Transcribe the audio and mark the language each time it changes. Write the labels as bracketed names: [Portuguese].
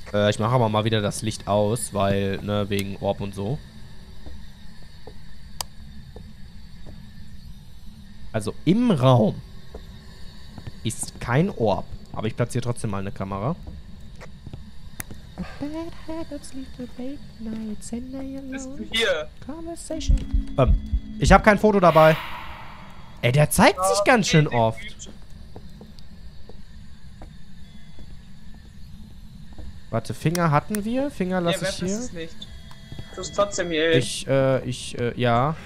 [German] Ich mache aber mal wieder das Licht aus, weil, ne, wegen Orb und so. Also im Raum ist kein Orb. Aber ich platziere trotzdem mal eine Kamera. [English] Bad habits lead to bad nights. [German] Bist du hier? Conversation. Ich habe kein Foto dabei. Ey, der zeigt sich ganz schön oft. Warte, Finger hatten wir? Finger lasse ich hier. Ist es nicht. Du bist trotzdem hier. Ich, ja.